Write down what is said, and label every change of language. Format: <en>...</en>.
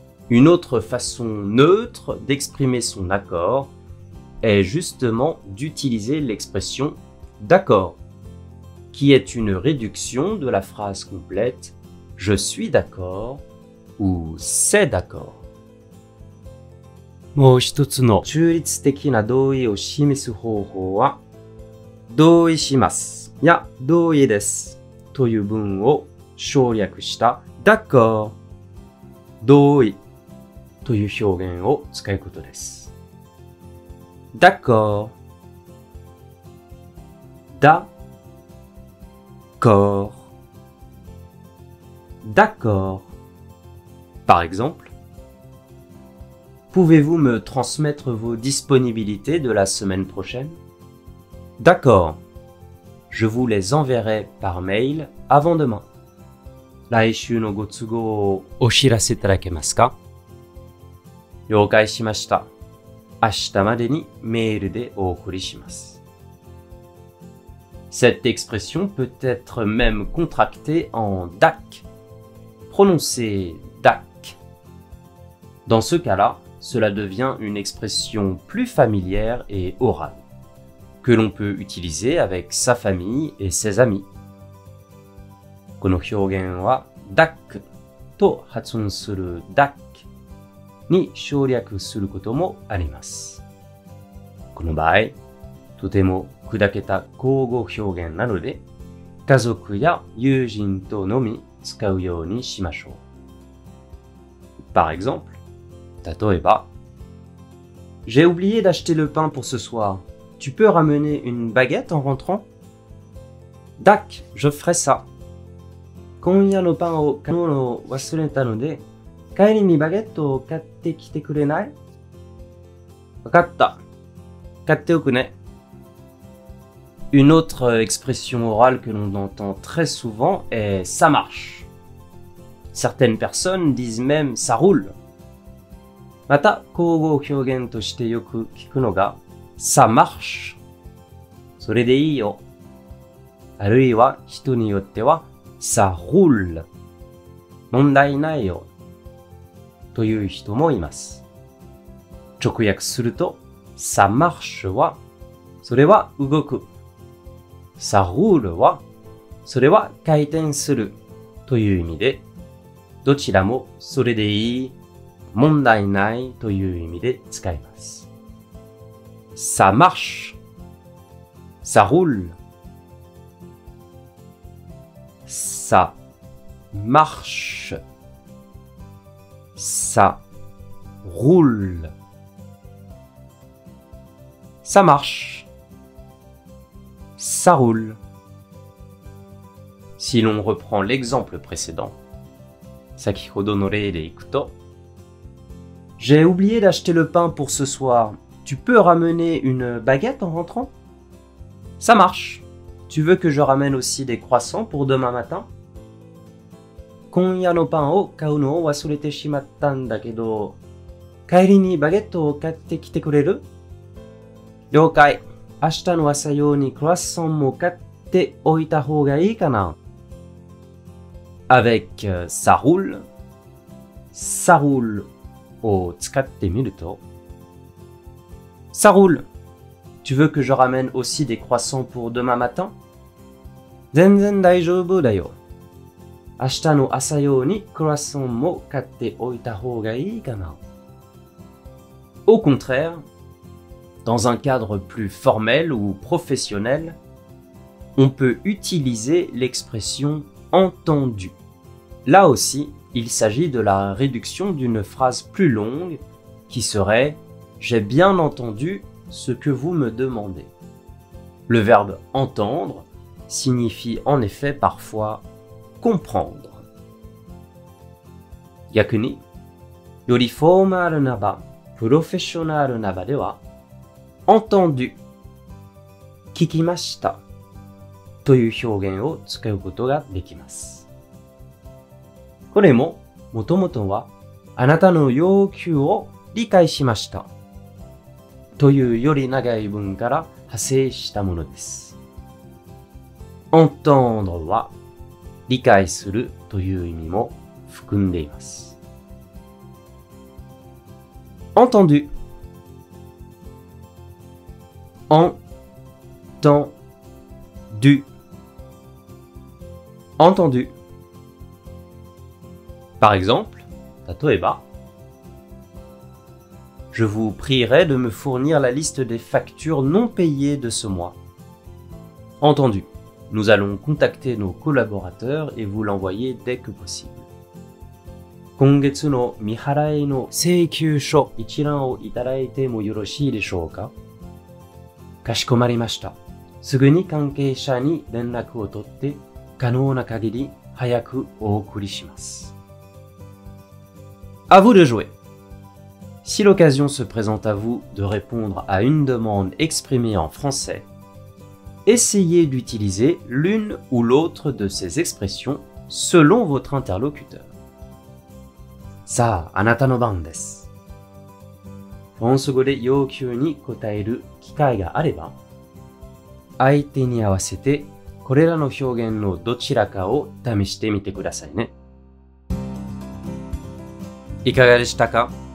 <fr>Une autre façon neutre d'exprimer son accord est justement d'utiliser l'expression « d'accord » qui est une réduction de la phrase complète « je suis d'accord » ou « c'est d'accord ».</fr> <ja>もう一つの中立的な同意を示す方法は「同意します」や「同意です」という文を省略した「d'accord」「同意」という表現を使うことです。</ja> <fr>D'accord. D'accord. D'accord. Par exemple, pouvez-vous me transmettre vos disponibilités de la semaine prochaine? D'accord. Je vous les enverrai par mail avant demain.</fr> <ja>来週のご都合をお知らせいただけますか? 了解しました。明日までにメールでお送りします。</ja> <fr>Cette expression peut être même contractée en DAC. Prononcé DAC. Dans ce cas-là, cela devient une expression plus familière et orale, que l'on peut utiliser avec sa famille et ses amis.</fr> <ja>この表現は DAC と発音する DACに省略することもあります。この場合、とても砕けた口語表現なので、家族や友人とのみ使うようにしましょう。</ja> <fr>Par exemple,</fr> <ja>例えば、</ja> <fr>J'ai oublié d'acheter le pain pour ce soir. Tu peux ramener une baguette en rentrant? Dak, je ferai ça.</fr> <ja>今夜のパンを昨日忘れたので、帰りにバゲットを買ってきてくれない？わかった。買っておくね。</ja> <fr>Une autre expression orale que l'on entend très souvent est « ça marche ». Certaines personnes disent même « ça roule ».</fr> <ja>また、口語表現としてよく聞くのが</ja> <fr>「ça marche」。</fr> <ja>それでいいよ。あるいは人によっては「ça roule」。問題ないよ。という人もいます。直訳すると「ça marche」は「それは動く」。</ja> <fr>ça roule は</fr> <ja>それは回転するという意味で、どちらもそれでいい、問題ないという意味で使います。</ja> <fr>ça marche, ça roule, ça marche, ça roule, ça marche. Ça roule. Si l'on reprend l'exemple précédent,</fr> <ja>先ほどの例でいくと、</ja> <fr>J'ai oublié d'acheter le pain pour ce soir. Tu peux ramener une baguette en rentrant? Ça marche. Tu veux que je ramène aussi des croissants pour demain matin?</fr> <ja>今夜のパンを買うのを忘れてしまったんだけど、帰りにバゲットを買ってきてくれる？了解。明日の朝用にクロワッサンも買っておいた方がいいかな。</ja> <fr>Avec ça roule, ça roule</fr> <ja>を使ってみると、</ja> <fr>ça roule. Tu veux que je ramène aussi des croissants pour demain matin?</fr> <ja>全然大丈夫だよ。明日の朝用にクロワッサンも買っておいた方がいいかな。</ja> <fr>Au contraire. Dans un cadre plus formel ou professionnel, on peut utiliser l'expression « entendu ». Là aussi, il s'agit de la réduction d'une phrase plus longue qui serait « j'ai bien entendu ce que vous me demandez ». Le verbe « entendre » signifie en effet parfois « comprendre ».</fr> <ja>Yakuni, より formal なば、professional なばでは、</ja> <fr>Entendu.</fr> <ja>聞きましたという表現を使うことができます。これも、もともとは、あなたの要求を理解しましたというより長い文から派生したものです。 Entendre は、理解するという意味も含んでいます。</ja> <fr>Entendu. Entendu. Entendu. Par exemple,</fr> <ja>Tatoeba,</ja> <fr>je vous prierai de me fournir la liste des factures non payées de ce mois. Entendu. Nous allons contacter nos collaborateurs et vous l'envoyer dès que possible.</fr> <ja>今月の未払いの請求書一覧をいただいてもよろしいでしょうか? かしこまりました。すぐに関係者に連絡を取って、可能な限り早くお送りします。</ja> <fr>À vous de jouer! Si l'occasion se présente à vous de répondre à une demande exprimée en français, essayez d'utiliser l'une ou l'autre de ces expressions selon votre interlocuteur.</fr> <ja>さあ、あなたの番です。フランス語で要求に答える機会があれば、相手に合わせてこれらの表現のどちらかを試してみてくださいね。いかがでしたか？</ja>